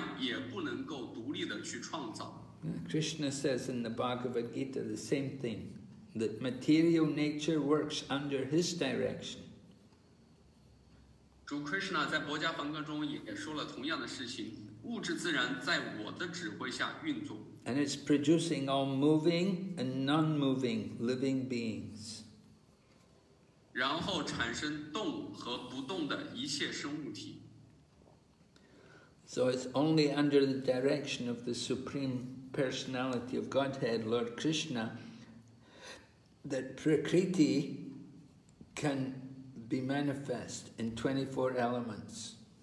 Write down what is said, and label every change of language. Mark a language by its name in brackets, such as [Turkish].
[Chinese] 而这些能量也不能够独立地去创造。 [English] Krishna says in the Bhagavad Gita the same thing, that material nature works under his direction. [Chinese] 主 Krishna 在《薄伽梵歌》中也说了同样的事情, 物质自然在我的指挥下运作。 [English] And it's producing all moving and non-moving living beings. [Chinese] 然后产生动和不动的一切生物体。 [English] So it's only under the direction of the Supreme Personality of Godhead, Lord Krishna, that Prakriti can be manifest in 24 elements.